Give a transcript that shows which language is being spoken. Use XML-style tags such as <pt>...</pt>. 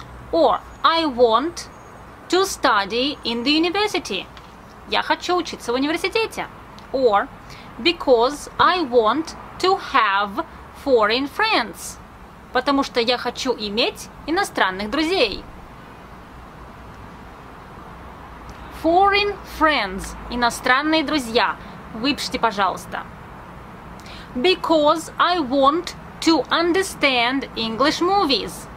<en>Or, I want to study in the university.</en> <ru>Я хочу учиться в университете.</ru> <en>Or, because I want to have foreign friends.</en> <ru>Потому что я хочу иметь иностранных друзей.</ru> <en>Foreign friends.</en> <ru>Иностранные друзья. Выпишите, пожалуйста.</ru> <en>Because I want to understand English movies.</en>